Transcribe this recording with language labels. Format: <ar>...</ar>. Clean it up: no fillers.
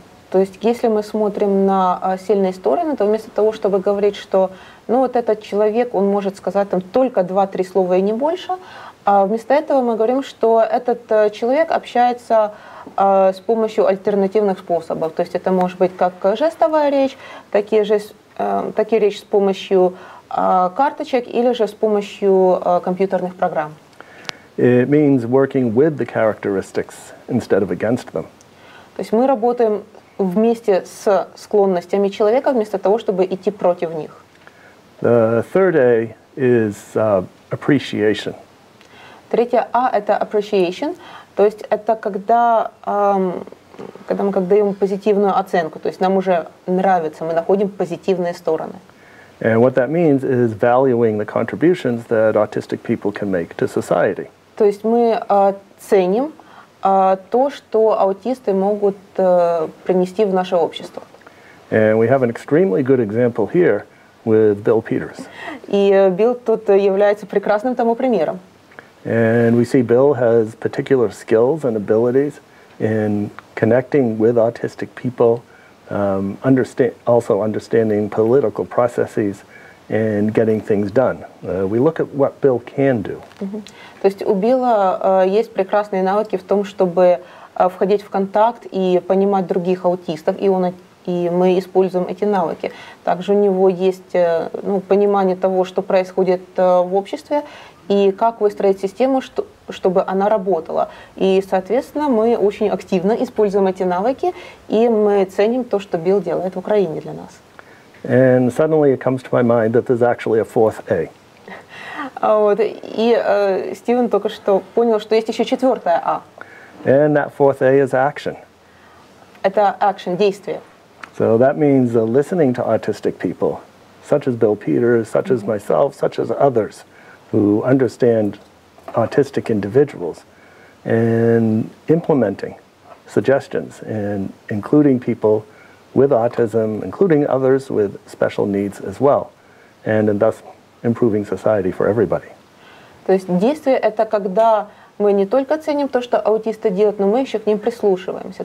<ru>То есть, если мы смотрим на сильные стороны, то вместо того, чтобы говорить, что ну, вот этот человек, он может сказать там, только 2-3 слова и не больше, вместо этого мы говорим, что этот человек общается с помощью альтернативных способов. То есть это может быть как жестовая речь, так и речь с помощью карточек или же с помощью компьютерных программ.</ru> <en>It means working with the characteristics instead of against them.</en> <ru>То есть мы работаем вместе с склонностями человека, вместо того, чтобы идти против них.</ru> <en>The third A is appreciation.</en> <ru>Третья А – это appreciation, то есть это когда, когда мы даем позитивную оценку, то есть нам уже нравится, мы находим позитивные стороны.</ru> <en>And what that means is valuing the contributions that autistic people can make to society.</en> <ru>То есть мы ценим то, что аутисты могут принести в наше общество.</ru> <en>And we have an extremely good example here with Bill Peters.</en> <ru>И Билл тут является прекрасным тому примером.</ru> <en>And we see Bill has particular skills and abilities in connecting with autistic people, also understanding political processes and getting things done. We look at what Bill can do.</en> <ru>То есть у Билла есть прекрасные навыки в том, чтобы входить в контакт и понимать других аутистов, и мы используем эти навыки. Также у него есть понимание того, что происходит в обществе, и как выстроить систему, чтобы она работала. И, соответственно, мы очень активно используем эти навыки, и мы ценим то, что Билл делает в Украине для нас.</ru> <en>And suddenly it comes to my mind that there's actually a fourth A.</en> <ru>Вот, и Стивен только что понял, что есть еще четвертая А.</ru> <en>And that fourth A is action.</en> <ru>Это action, действие.</ru> <en>So that means listening to autistic people, such as Bill Peters, such as myself, such as others, who understand autistic individuals, and implementing suggestions, and including people with autism, including others with special needs as well, and thus improving society for everybody.</en> <ru>То есть действие — это когда мы не только ценим то, что аутисты делают, но мы еще к ним прислушиваемся.</ru>